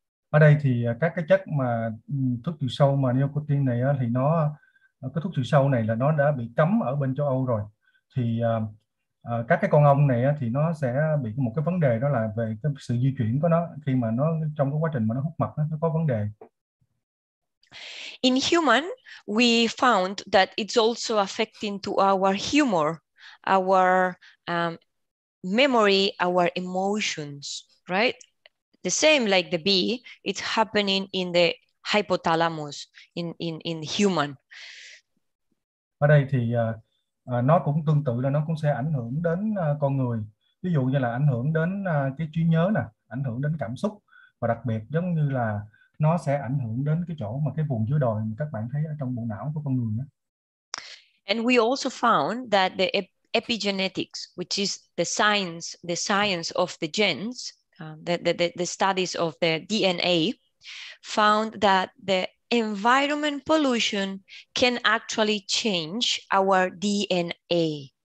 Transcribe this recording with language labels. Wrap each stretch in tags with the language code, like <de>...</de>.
<vi>Ở đây thì các cái chất mà thuốc trừ sâu mà neocortin này á, thì nó cái thuốc trừ sâu này là nó đã bị cấm ở bên châu Âu rồi. Thì các cái con ong này á, thì nó sẽ bị một cái vấn đề đó là về cái sự di chuyển của nó khi mà nó trong cái quá trình mà nó hút mật á, nó có vấn đề.</vi> <en>In human, we found that it's also affecting to our humor, our memory, our emotions, right? The same like the bee, it's happening in the hypothalamus in human.</en> <vi>Ở đây thì nó cũng tương tự là nó cũng sẽ ảnh hưởng đến con người. Ví dụ như là ảnh hưởng đến cái trí nhớ nè, ảnh hưởng đến cảm xúc và đặc biệt giống như là nó sẽ ảnh hưởng đến cái chỗ mà cái vùng dưới đồi mà các bạn thấy ở trong bộ não của con người nhé.</vi> <en>And we also found that the epigenetics, which is the science of the genes, the studies of the DNA, found that the environment pollution can actually change our DNA.</en>